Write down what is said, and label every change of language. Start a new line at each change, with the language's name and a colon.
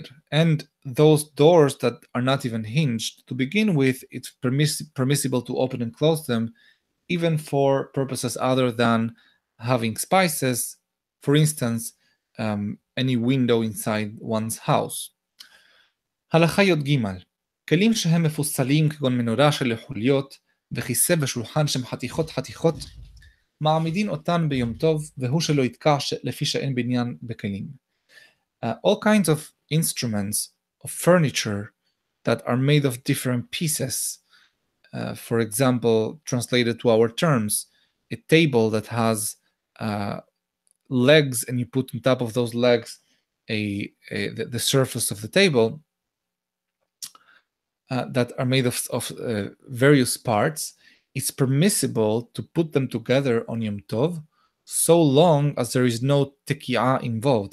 English: And those doors that are not even hinged to begin with, it's permissible to open and close them, even for purposes other than having spices, for instance, any window inside one's house.
Hebrew: הלכה יוד גימל. כלים שהם מפוסלים כגון מנורה של חוליות וכיסא ושולחן שהם חתיכות חתיכות, מעמידים אותן ביום טוב והוא שלא יתקע לפי שאין בניין בכלים.
English: All kinds of instruments of furniture that are made of different pieces, for example, translated to our terms, a table that has legs and you put on top of those legs the surface of the table that are made of various parts, it's permissible to put them together on Yom Tov so long as there is no tekiah involved.